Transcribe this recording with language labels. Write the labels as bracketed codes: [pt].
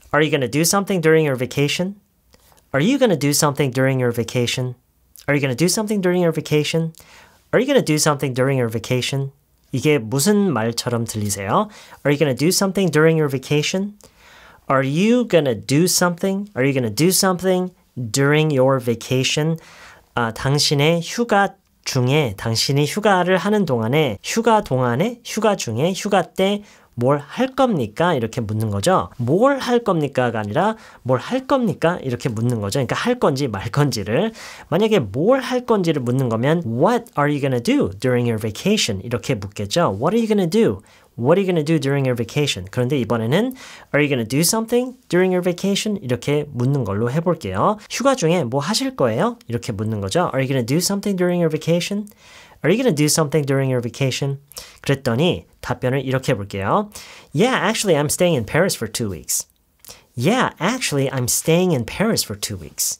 [en] Are you going to do something during your vacation? Are you going to do something during your vacation? Are you going to do something during your vacation? Are you going to do something during your vacation? [ko] 이게 무슨 말처럼 들리세요? [en] Are you going to do something during your vacation? Are you going to do something? Are you going to do something during your vacation? [ko] 당신의 휴가 중에, 당신이 휴가를 하는 동안에, 휴가 동안에, 휴가 중에, 휴가 때 뭘 할 겁니까? 이렇게 묻는 거죠. 뭘 할 겁니까가 아니라 뭘 할 겁니까? 이렇게 묻는 거죠. 그러니까 할 건지 말 건지를. 만약에 뭘 할 건지를 묻는 거면 [en] What are you gonna do during your vacation? [ko] 이렇게 묻겠죠. [en] What are you gonna do? What are you gonna do during your vacation? [ko] 그런데 이번에는 [en] Are you gonna do something during your vacation? [ko] 이렇게 묻는 걸로 해볼게요. 휴가 중에 뭐 하실 거예요? 이렇게 묻는 거죠. [en] Are you gonna do something during your vacation? Are you gonna do something during your vacation? [ko] 그랬더니 답변을 이렇게 볼게요. [en] Yeah, actually, I'm staying in Paris for 2 weeks. Yeah, actually, I'm staying in Paris for 2 weeks.